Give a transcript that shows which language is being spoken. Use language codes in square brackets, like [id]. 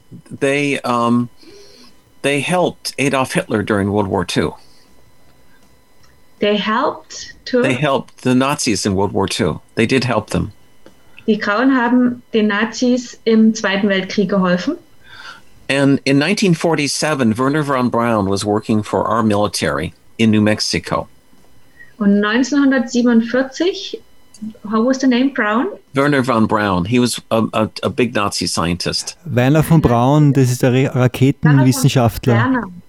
[en] They helped Adolf Hitler during World War II. They helped too. They helped the Nazis in World War II. They did help them. [de] Die Grauen haben den Nazis im Zweiten Weltkrieg geholfen. [en] And in 1947, Wernher von Braun was working for our military in New Mexico. [de] Und [en] 1947, how was the name Brown? Wernher von Braun. He was a big Nazi scientist. [de] Werner von Braun, das ist der Raketenwissenschaftler.